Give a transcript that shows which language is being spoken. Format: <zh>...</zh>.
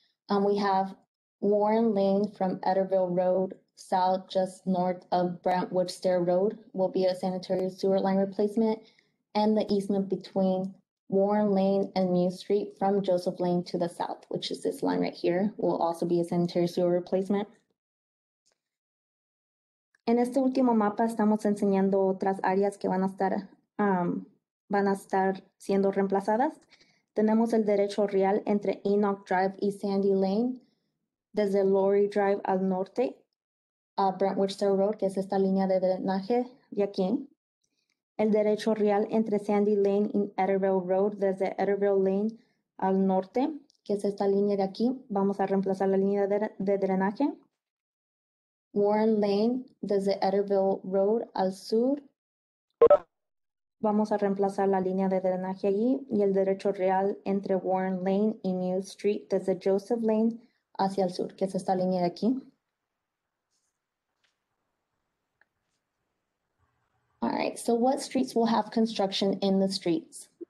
<en>We have Warren Lane from Edderville Road south, just north of Brentwood Stair Road, will be a sanitary sewer line replacement. And the easement between Warren Lane and Mew Street from Joseph Lane to the south, which is this line right here, will also be a sanitary sewer replacement.</en> <es>En este último mapa estamos enseñando otras áreas que van a estar siendo reemplazadas. Tenemos el derecho real entre Enoch Drive y Sandy Lane, desde Lowry Drive al norte, a Brentwood Stair Road, que es esta línea de drenaje de aquí. El derecho real entre Sandy Lane y Edderville Road, desde Edderville Lane al norte, que es esta línea de aquí. Vamos a reemplazar la línea de drenaje. Warren Lane, desde Edderville Road al sur. Vamos a reemplazar la línea de drenaje allí. Y el derecho real entre Warren Lane y New Street, desde Joseph Lane hacia el sur, que es esta línea de aquí.</es> <en>All right, so what streets will have construction in the streets?</en>